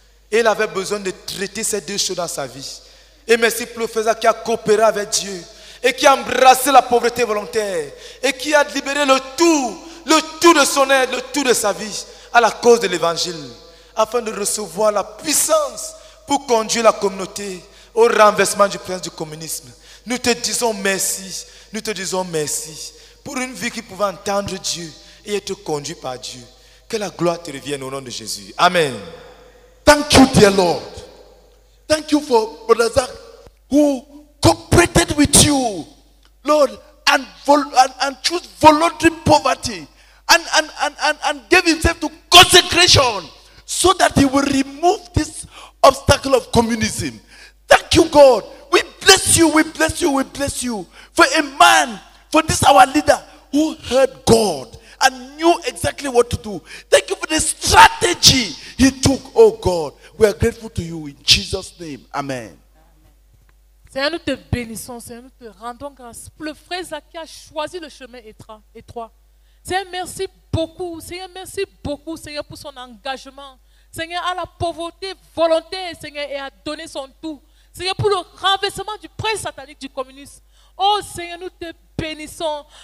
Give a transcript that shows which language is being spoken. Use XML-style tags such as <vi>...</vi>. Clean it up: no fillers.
<fr>Et il avait besoin de traiter ces deux choses dans sa vie. Et merci pour le frère Zach qui a coopéré avec Dieu et qui a embrassé la pauvreté volontaire et qui a libéré le tout de son être, le tout de sa vie à la cause de l'évangile afin de recevoir la puissance pour conduire la communauté au renversement du prince du communisme. Nous te disons merci, nous te disons merci pour une vie qui pouvait entendre Dieu et être conduite par Dieu. Que la gloire te revienne au nom de Jésus. Amen.</fr> <en>Thank you, dear Lord. Thank you for Brother Zach who cooperated with you, Lord, and chose voluntary poverty and gave himself to consecration so that he will remove this obstacle of communism. Thank you, God. We bless you, we bless you, we bless you for a man, for this our leader who heard God and knew exactly what to do. Thank you for the strategy he took, oh God. We are grateful to you in Jesus' name. Amen.</en> <fr>Seigneur, nous te bénissons, Seigneur, nous te rendons grâce pour le frère Zach qui a choisi le chemin étroit. Seigneur, merci beaucoup. Seigneur, merci beaucoup, Seigneur, pour son engagement. Seigneur, à la pauvreté volontaire, Seigneur, et à donner son tout. Seigneur, pour le renversement du prince satanique du communisme. Oh Seigneur, nous te bénissons.</fr>